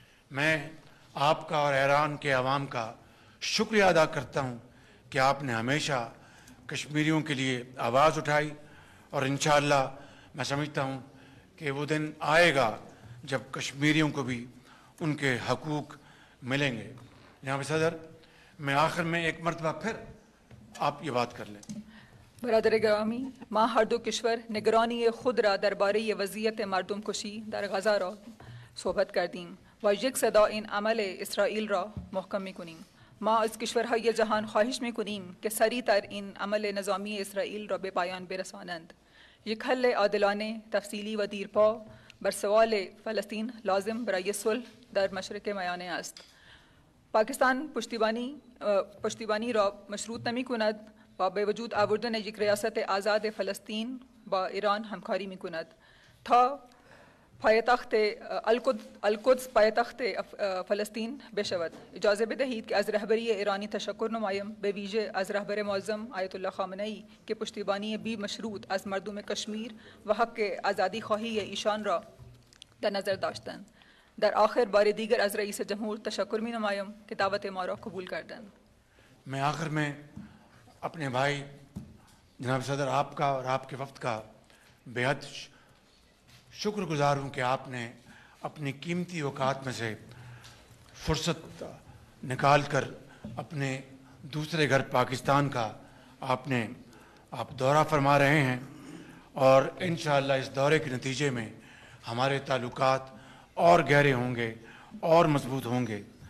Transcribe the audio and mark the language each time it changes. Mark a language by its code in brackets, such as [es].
[ur] میں آپ کا اور ایران کے عوام کا شکریہ ادا کرتا ہوں کہ آپ نے ہمیشہ کشمیریوں کے لیے آواز اٹھائی، اور انشاءاللہ میں سمجھتا ہوں کہ وہ دن آئے گا جب کشمیریوں کو بھی ان کے حقوق ملیں گے. جناب صدر، میں آخر میں ایک مرتبہ پھر آپ یہ بات کر لیں. [fa] برادر گرامی، ما ہر دو کشور نگرانی خود را درباره وضعیت مردم کشی در غزہ را صحبت کردیم و یک صدا این عمل اسرائیل را محکم میکنیم. ما از کشورهای جهان خواهش میکنیم که سریع تر این عمل نظامی اسرائیل را به پایان برسانند. یک حل عادلانه، تفصیلی و دیرپا بر سوال فلسطین لازم برای صلح در مشرق میانه است. پاکستان پشتیبانی را مشروط نمی کند و به وجود آوردن یک ریاست آزاد فلسطین با ایران همکاری می کند. تا پایتخت القدس پایتخت فلسطین بشود. اجازه بدهید که از رهبری ایرانی تشکر نمایم، به ویژه از رهبر معظم آیت الله خامنه ای که پشتیبانی بی مشروط از مردم کشمیر و حق آزادی خواهی ایشان را در نظر داشتند. در آخر بار دیگر از رئیس جمهور تشکر می نمایم که دعوت ما را قبول کردند. [ur] میں آخر میں اپنے بھائی جناب صدر، آپ کا اور آپ کے وفد کا بے حد شکر گزار ہوں کہ آپ نے اپنی قیمتی اوقات میں سے فرصت نکال کر اپنے دوسرے گھر پاکستان کا آپ دورہ فرما رہے ہیں، اور انشاءاللہ اس دورے کے نتیجے میں ہمارے تعلقات اور گہرے ہوں گے اور مضبوط ہوں گے.